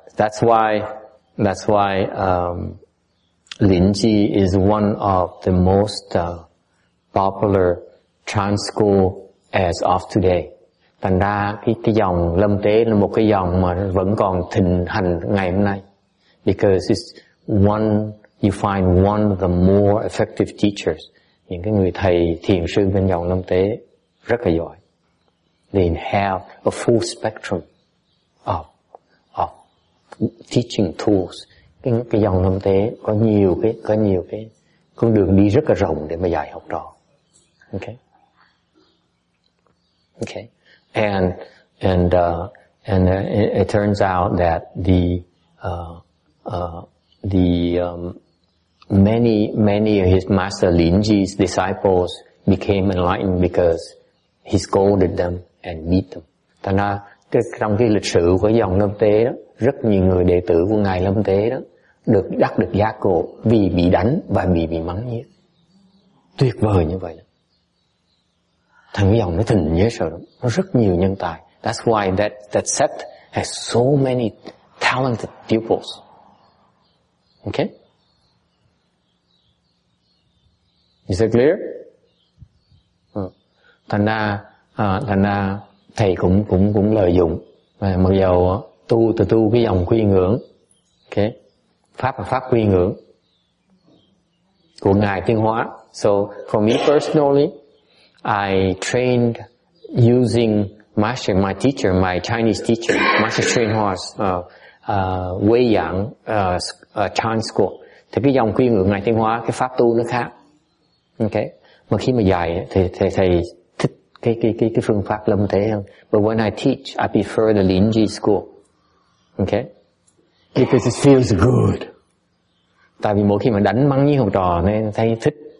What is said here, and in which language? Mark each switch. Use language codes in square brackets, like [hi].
[en] That's why Linji is one of the most popular trans school as of today. [vi] Thành ra cái dòng lâm tế là một cái dòng mà vẫn còn thịnh hành ngày hôm nay. [en] Because it's one, you find one of the more effective teachers. [vi] Những cái người thầy thiền sư bên dòng lâm tế rất là giỏi. [en] They have a full spectrum of teaching tools. [vi] Cái dòng lâm tế có nhiều cái con đường đi rất là rộng để mà dạy học trò. [en] Okay. And it turns out that many of his master Linji's disciples became enlightened because he scolded them and beat them. [vi] Thành ra trong cái lịch sử của dòng lâm tế đó, rất nhiều người đệ tử của ngài lâm tế đó được đắc được giác ngộ vì bị đánh và bị mắng như tuyệt vời như vậy đó. Thằng dòng nó thịnh dễ sợ lắm, nó rất nhiều nhân tài. [en] That's why that sect has so many talented pupils. Okay. Is that clear? [vi] Thành ra thầy cũng lợi dụng. Mặc dù tu cái dòng quy ngưỡng, okay, pháp và pháp quy ngưỡng của ngài Tiên Hóa. [en] So for me personally, I trained using master, my teacher, my Chinese teacher, Master Xuyên Hóa's Wei Yang Chinese school. [vi] Thì cái dòng quy ngưỡng ngài Tiên Hóa, cái pháp tu nó khác. Okay. Mà khi mà dạy thầy thích cái phương pháp lâm tế hơn. [en] But when I teach, I prefer the Linji school. Okay. Because it feels good. [vi] Tại vì mỗi khi mà đánh mắng với học trò nên thầy thích.